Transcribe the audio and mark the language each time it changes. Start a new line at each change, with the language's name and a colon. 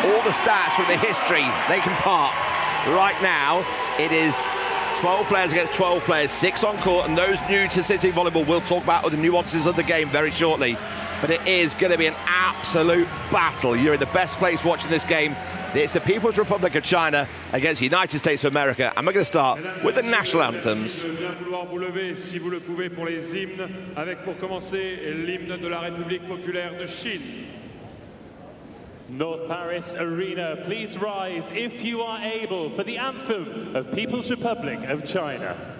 English: All the stats from the history, they can park. Right now, it is 12 players against 12 players, six on court, and those new to sitting volleyball, we'll talk about the nuances of the game very shortly. But it is going to be an absolute battle. You're in the best place watching this game. It's the People's Republic of China against the United States of America. And we're going to start with the national anthems.
French: Avec pour commencer l'hymne de la République populaire de Chine.
English: North Paris Arena, please rise if you are able for the anthem of People's Republic of China.